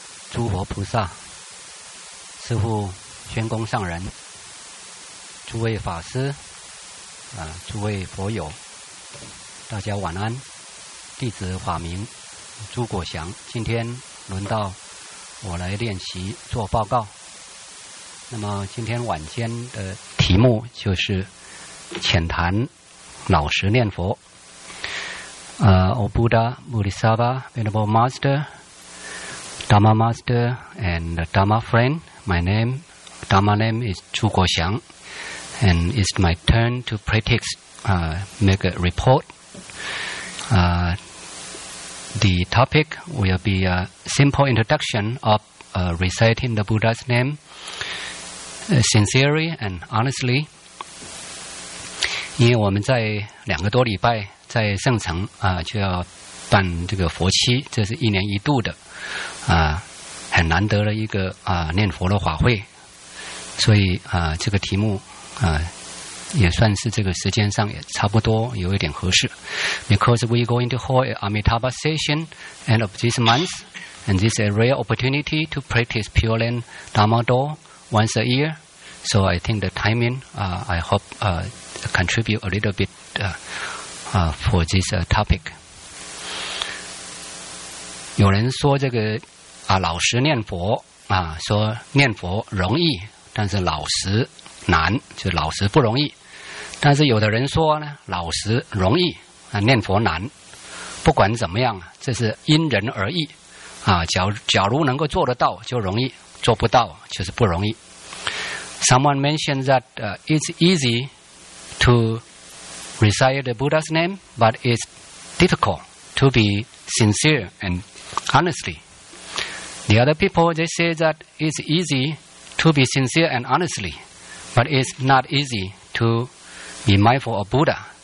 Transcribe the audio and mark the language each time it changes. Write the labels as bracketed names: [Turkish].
[Chinese] 诸佛菩萨、师父、宣公上人、诸位法师、诸位佛友，大家晚安。弟子法名朱果祥，今天轮到我来练习做报告。那么今天晚间的题目就是浅谈老实念佛。 [English] O Buddha, Bodhisattva, Venerable Master, Dharma Master and Dharma Friend, my name, Dharma name is Zhu Guoxiang, and it's my turn to practice, make a report. The topic will be a simple introduction of reciting the Buddha's name sincerely and honestly. [Chinese] 因为我们在两个多礼拜在圣城就要办这个佛七，这是一年一度的很难得的一个念佛的法会，所以这个题目也算是这个时间上也差不多有一点合适。 [English] Because we go into hold an Amitabha session end of this month, and this is a rare opportunity to practice Pure Land Dharma Do once a year, so I think the timing I hope contribute a little bit for this topic. [Chinese] 有人说这个老实念佛说念佛容易，但是老实难，就老实不容易。但是有的人说呢，老实容易念佛难。不管怎么样，这是因人而异假如能够做得到就容易，做不到就是不容易。 [English] Someone mentioned that it's easy to recite the Buddha's name, but it's difficult to be sincere and honestly. The other people, they say that it's easy to be sincere and honestly, but it's not easy to be mindful of Buddha.